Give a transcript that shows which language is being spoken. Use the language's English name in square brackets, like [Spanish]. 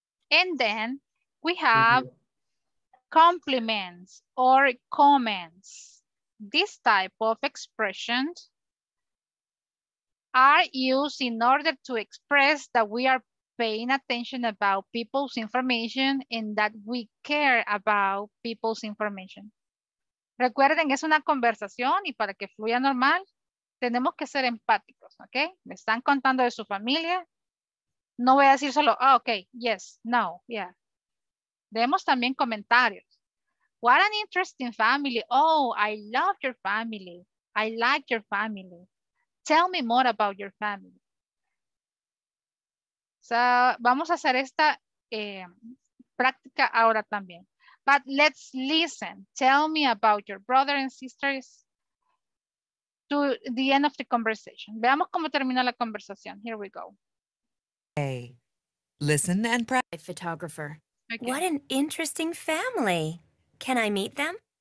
[English] And then we have compliments or comments. This type of expressions are used in order to express that we are paying attention about people's information and that we care about people's information. [Spanish] Recuerden, es una conversación y para que fluya normal, tenemos que ser empáticos, ¿ok? Me están contando de su familia. No voy a decir solo, oh, ok, [English] yes, no, yeah. [Spanish] Demos también comentarios. [English] What an interesting family. Oh, I love your family. I like your family. Tell me more about your family. [Spanish] So, vamos a hacer esta práctica ahora también. [English] But let's listen. Tell me about your brother and sisters to the end of the conversation. [Spanish] Veamos cómo termina la conversación. [English] Here we go. Hey, listen and practice. Photographer. Okay. What an interesting family. Can I meet them?